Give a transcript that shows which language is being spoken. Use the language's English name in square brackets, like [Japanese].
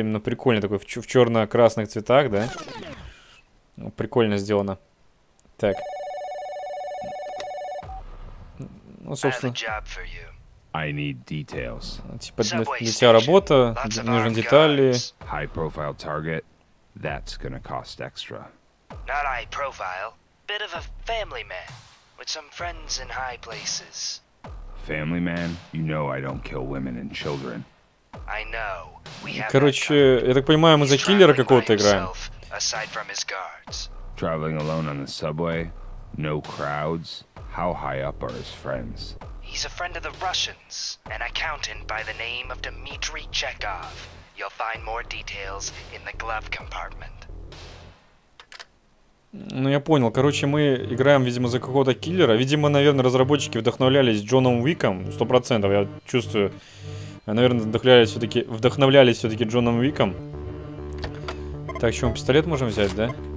[Russian] Именно прикольно такой, в черно-красных цветах, да? Ну, прикольно сделано. Так. Ну, собственно, [English] I need details. [Russian] Типа, для тебя работа, нужны детали. [English] High profile target. That's gonna cost extra. Not high profile, bit of a family man with some friends in high places. Family man, you know I don't kill women and children. I know. We have. [Russian] Короче, я так понимаю, мы за киллера какого-то играем. [English] Aside from his guards. Traveling alone on the subway, no crowds. How high up are his friends? He's a friend of the Russians, an accountant by the name of Dmitry Chekhov. You'll find more details in the glove compartment. [Russian] Ну, я понял. Короче, мы играем, видимо, за какого-то киллера. Видимо, наверное, разработчики вдохновлялись Джоном Уиком. 100%, я чувствую. Наверное, вдохновлялись все-таки Джоном Уиком. Так, что, мы пистолет можем взять, да?